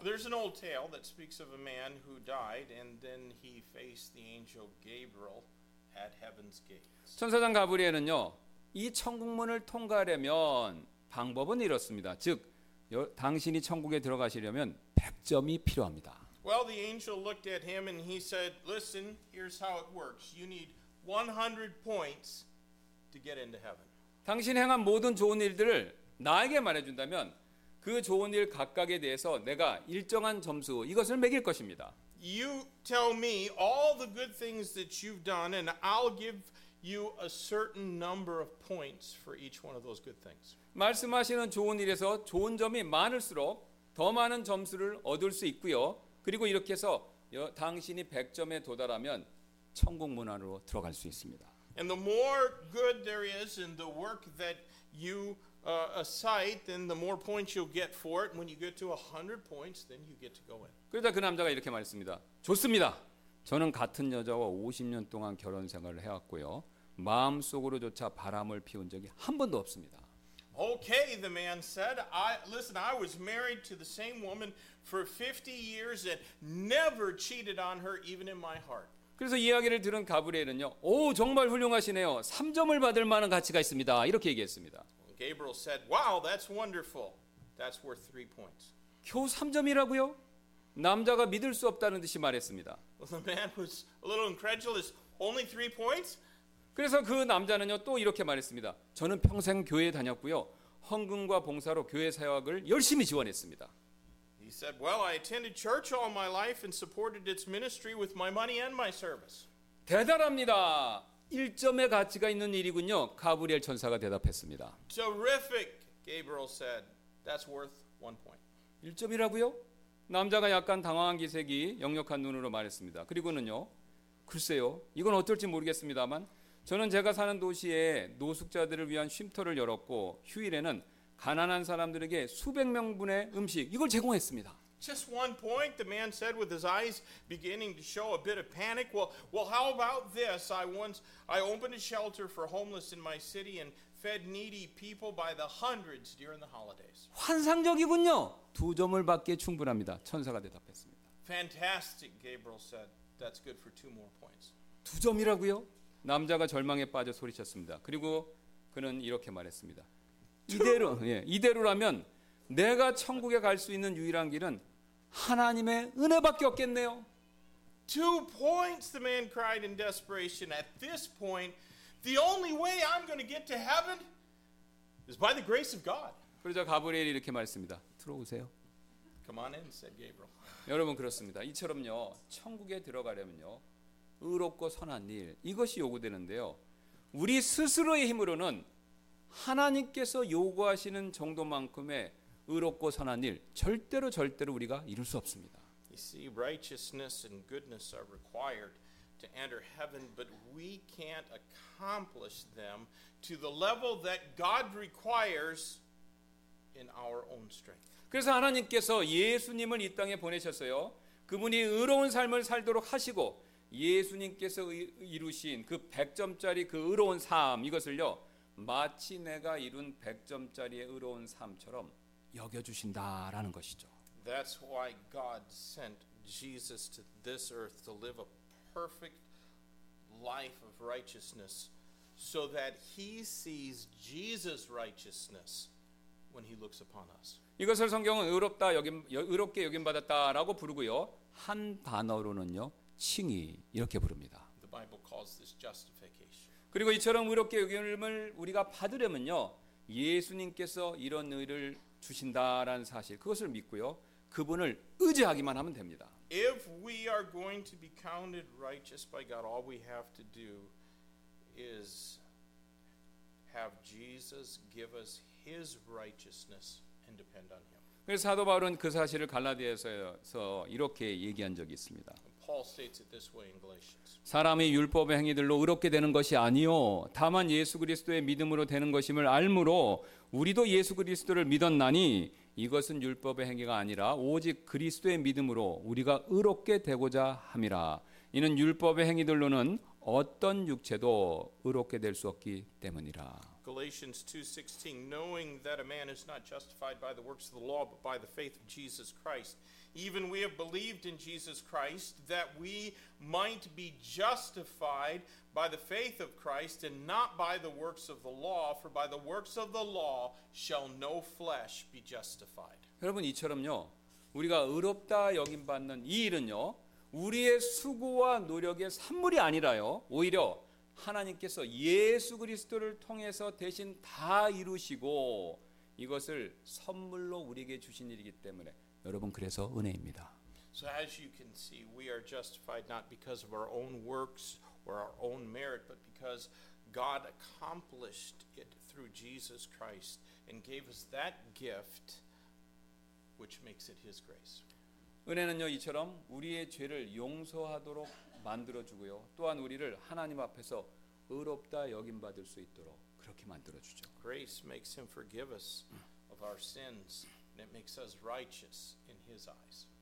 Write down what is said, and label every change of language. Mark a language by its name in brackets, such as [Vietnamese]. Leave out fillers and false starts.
[English] There's an old tale that speaks of a man who died and then he faced the angel Gabriel at heaven's gates. [Korean] 천사장 가브리엘은요, 이 천국문을 통과하려면 방법은 이렇습니다. 즉, 당신이 천국에 들어가시려면 100점이 필요합니다. [English] Well, the angel looked at him and he said, "Listen, here's how it works. You need 100 points to get into heaven." [Korean] 당신 행한 모든 좋은 일들을 나에게 말해준다면 그 좋은 일 각각에 대해서 내가 일정한 점수 이것을 매길 것입니다. [English] You tell me all the good things that you've done, and I'll give you a certain number of points for each one of those good things. [Korean] 말씀하시는 좋은 일에서 좋은 점이 많을수록 더 많은 점수를 얻을 수 있고요. 그리고 이렇게 해서 당신이 100점에 도달하면 천국 문 안으로 들어갈 수 있습니다. [English] And the more good there is in the work that you cite, then the more points you'll get for it. When you get to 100 points, then you get to go in. [Korean] 그러자 그 남자가 이렇게 말했습니다. 좋습니다. 저는 같은 여자와 50년 동안 결혼 생활을 해왔고요. 마음속으로조차 바람을 피운 적이 한 번도 없습니다. [English] Okay, the man said, I was married to the same woman for 50 years and never cheated on her even in my heart. [Korean] 그래서 이야기를 들은 가브리엘은요. 오, 정말 훌륭하시네요. 3점을 받을 만한 가치가 있습니다. 이렇게 얘기했습니다. [English] Gabriel said, "Wow, that's wonderful. That's worth 3 points." [Korean] 겨우 3점이라고요? 남자가 믿을 수 없다는 듯이 말했습니다. [English] Well, the man was a little incredulous. Only 3 points? [Korean] 그래서 그 남자는요 또 이렇게 말했습니다. 저는 평생 교회에 다녔고요. 헌금과 봉사로 교회 사역을 열심히 지원했습니다. [English] He said, "Well, I attended church all my life and supported its ministry with my money and my service." [Korean] 대단합니다. 1점의 가치가 있는 일이군요. 가브리엘 천사가 대답했습니다. [English] "Terrific," Gabriel said. "That's worth 1 point." [Korean] 1점이라고요? 남자가 약간 당황한 기색이 역력한 눈으로 말했습니다. 그리고는요. 글쎄요. 이건 어떨지 모르겠습니다만 저는 제가 사는 도시에 노숙자들을 위한 쉼터를 열었고 휴일에는 가난한 사람들에게 수백 명분의 음식 이걸 제공했습니다. [English] Just 1 point, the man said with his eyes beginning to show a bit of panic. Well, how about this? I opened a shelter for homeless in my city and fed needy people by the hundreds during the holidays. [Korean] 환상적이군요. 두 점을 받기에 충분합니다. 천사가 대답했습니다. [English] Fantastic, Gabriel said. That's good for 2 more points. [Korean] 두 점이라고요? 남자가 절망에 빠져 소리쳤습니다. 그리고 그는 이렇게 말했습니다. 이대로라면 내가 천국에 갈 수 있는 유일한 길은 하나님의 은혜밖에 없겠네요. [English] 2 points, the man cried in desperation. At this point, the only way I'm going to get to heaven is by the grace of God. [Korean] 그러자 가브리엘이 이렇게 말했습니다. 들어오세요. [English] Come on in, said Gabriel. [Korean] 여러분 그렇습니다. 이처럼요. 천국에 들어가려면요. 의롭고 선한 일 이것이 요구되는데요. 우리 스스로의 힘으로는 하나님께서 요구하시는 정도만큼의 의롭고 선한 일 절대로 절대로 우리가 이룰 수 없습니다. [English] You see, righteousness and goodness are required to enter heaven, but we can't accomplish them to the level that God requires in our own strength. [Korean] 그래서 하나님께서 예수님을 이 땅에 보내셨어요. 그분이 의로운 삶을 살도록 하시고 예수님께서 이루신 그 100점짜리 그 의로운 삶 이것을요 마치 내가 이룬 100점짜리의 의로운 삶처럼 여겨주신다라는 것이죠. [English] That's why God sent Jesus to this earth to live a perfect life of righteousness so that he sees Jesus' righteousness when he looks upon us. [Korean] 이것을 성경은 의롭게 여김받았다라고 부르고요. 한 단어로는요. 칭의 이렇게 부릅니다. [English] The Bible calls this justification. [Korean] 그리고 이처럼 의롭게 여김을 우리가 받으려면요. 예수님께서 이런 의를 주신다라는 사실 그것을 믿고요. 그분을 의지하기만 하면 됩니다. [English] If we are going to be counted righteous by God, all we have to do is have Jesus give us his righteousness and depend on him. [Korean] 그래서 사도 바울은 그 사실을 갈라디아서에서 이렇게 얘기한 적이 있습니다. [English] Paul states it this way in Galatians. [Korean] 사람이 율법의 행위들로 의롭게 되는 것이 아니요 다만 예수 그리스도의 믿음으로 되는 것임을 알므로 우리도 예수 그리스도를 믿었나니 이것은 율법의 행위가 아니라 오직 그리스도의 믿음으로 우리가 의롭게 되고자 함이라. 이는 율법의 행위들로는 어떤 육체도 의롭게 될 수 없기 때문이라. [English] Galatians 2:16, knowing that a man is not justified by the works of the law, but by the faith of Jesus Christ. Even we have believed in Jesus Christ that we might be justified by the faith of Christ and not by the works of the law, for by the works of the law shall no flesh be justified. [Korean] 여러분 이처럼요. 우리가 의롭다 여김받는 이 일은요. 우리의 수고와 노력의 산물이 아니라요. 오히려 하나님께서 예수 그리스도를 통해서 대신 다 이루시고 이것을 선물로 우리에게 주신 일이기 때문에 여러분 그래서 은혜입니다. [English] So as you can see, we are justified not because of our own works or our own merit, but because God accomplished it through Jesus Christ and gave us that gift, which makes it His grace. [Korean] 은혜는요 이처럼 우리의 죄를 용서하도록 만들어 주고요. 또한 우리를 하나님 앞에서 의롭다 여김 받을 수 있도록 그렇게 만들어 주죠. [English] Grace makes Him forgive us of our sins. And it makes us righteous in His eyes.